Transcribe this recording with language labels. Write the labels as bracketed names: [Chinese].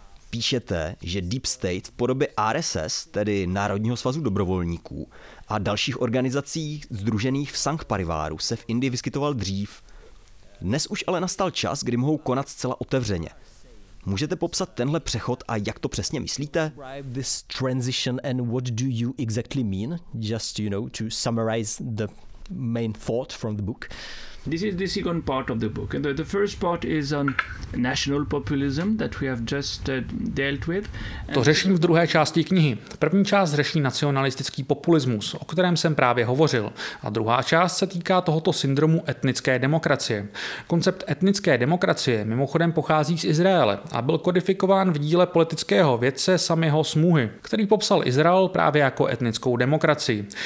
[Czech] Píšete, že deep state v podobě RSS, tedy Národního svazu dobrovolníků, a dalších organizací sdružených v Sangh Pariváru se v Indii vyskytoval dřív. Dnes už ale nastal čas, kdy mohou konat zcela otevřeně. Můžete popsat tenhle přechod a jak to přesně myslíte? [English] This transition and what do you exactly mean? Just, you know, to summarize the main thought from the book. This is the second part of the book. And the first part is on national populism that we have just dealt with. [Czech] To řeším v druhé části knihy. První část řeší nacionalistický populismus, o kterém jsem právě hovořil. A druhá část se týká tohoto syndromu etnické demokracie. Koncept etnické demokracie mimochodem pochází z Izraele a byl kodifikován v díle politického vědce Samiho Smuhy, který popsal Izrael právě jako etnickou demokracii.